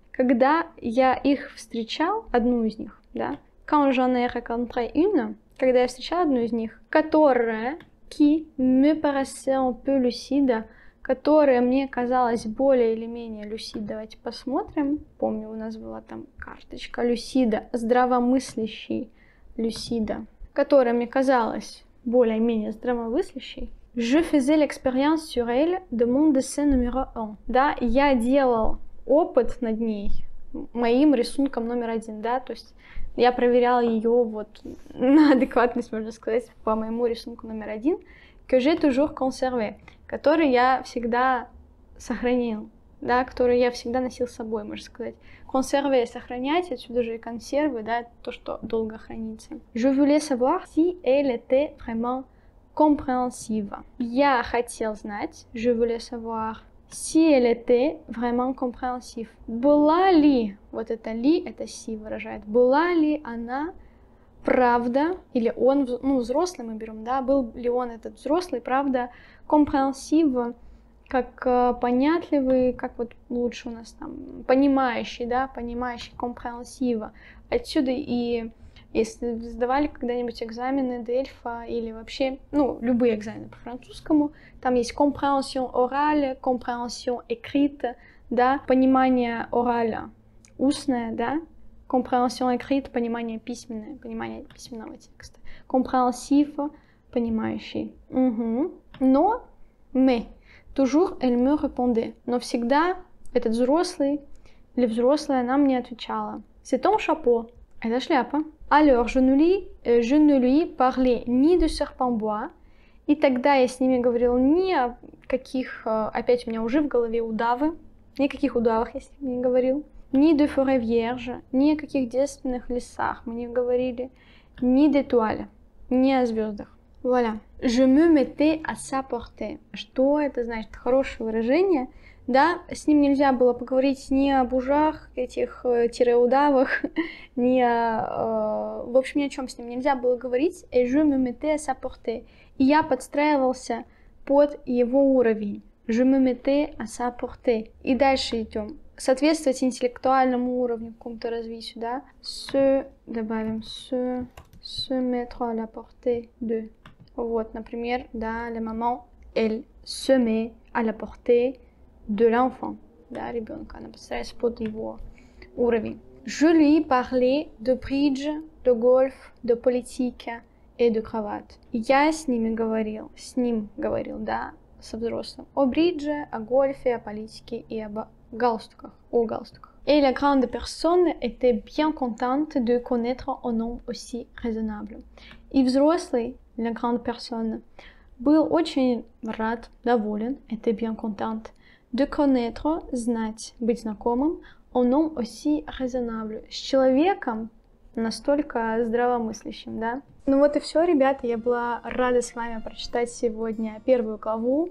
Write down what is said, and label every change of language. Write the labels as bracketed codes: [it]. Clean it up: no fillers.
[ru] Когда я их встречал, одну из них, да, [fr] quand j'en ai rencontré une, [ru] когда я встречал одну из них, которая, [fr] qui me paraissait un peu lucide, [ru] которая мне казалась более или менее люсид. Давайте посмотрим. Помню, у нас была там карточка люсида, здравомыслящий люсида, которая мне казалась более-менее здравомыслящей. [fr] Je faisais l'expérience sur elle de mon dessin numéro 1. [ru] Да, я делал опыт над ней, моим рисунком номер один, да, то есть я проверял ее вот на адекватность, можно сказать, по моему рисунку номер один, [fr] que j'ai toujours conservé, [ru] который я всегда сохранил, да, который я всегда носил с собой, можно сказать. Conserver, сохранять, отсюда же и консервы, да, то, что долго хранится. [fr] Je voulais savoir si elle était vraiment compréhensive. [ru] Я хотел знать, [fr] je voulais savoir, si elle était vraiment compréhensive. [ru] Была ли, вот это ли, это si выражает, была ли она правда, или он, ну, взрослый мы берем, да, был ли он этот взрослый, правда, comprehensive, как понятливый, как вот лучше у нас там, понимающий, да, понимающий, comprehensive. Отсюда и, если сдавали когда-нибудь экзамены Дельфа или вообще, ну, любые экзамены по французскому, там есть [fr] comprehension orale, comprehension écrite, [ru] да, понимание orale, устное, да, compréhension écrite, понимание письменное, понимание письменного текста. Compréhensif, понимающий. Угу. [fr] Но, mais, toujours elle me répondait. [ru] Но всегда этот взрослый или взрослая она мне отвечала. [fr] C'est ton chapeau. [ru] Это шляпа. [fr] Alors, je ne lui parlais ni de serpent bois. [ru] И тогда я с ними говорил ни о каких, опять у меня уже в голове удавы, никаких удавах я с ними не говорил. Ни [fr] de forêt vierge, [ru] ни о каких девственных лесах мы не говорили, ни [fr] d'étoile, [ru] ни о звездах. [fr] Voilà. Je me mettais à sa portée. [ru] Что это значит? Хорошее выражение. Да, с ним нельзя было поговорить ни о бужах, этих тире-удавах, ни о... в общем, ни о чем с ним нельзя было говорить. [fr] Et je me mettais à sa portée. [ru] И я подстраивался под его уровень. [fr] Je me mettais à sa portée. [ru] И дальше идем. Соответствовать интеллектуальному уровню, какому-то развитию, да? [fr] Se, [ru] добавим, [fr] se mettre à la portée de. [ru] Вот, например, да, [fr] la maman, elle se met à la portée de l'enfant. [ru] Да, ребенка, она подстраивается под его уровень. [fr] Je lui parlais de bridge, de golf, de politique et de cravate. [ru] Я с ними говорил, да, со взрослым. О бридже, о гольфе, о политике и об галстуках. О галстуках. [fr] Et la grande personne était bien contente de connaître un homme aussi raisonnable. [ru] И взрослый, [fr] la grande personne, [ru] был очень рад, доволен, [fr] était bien content, de connaître, [ru] знать, быть знакомым, [fr] un homme aussi raisonnable, [ru] с человеком настолько здравомыслящим, да? Ну вот и все, ребята, я была рада с вами прочитать сегодня первую главу.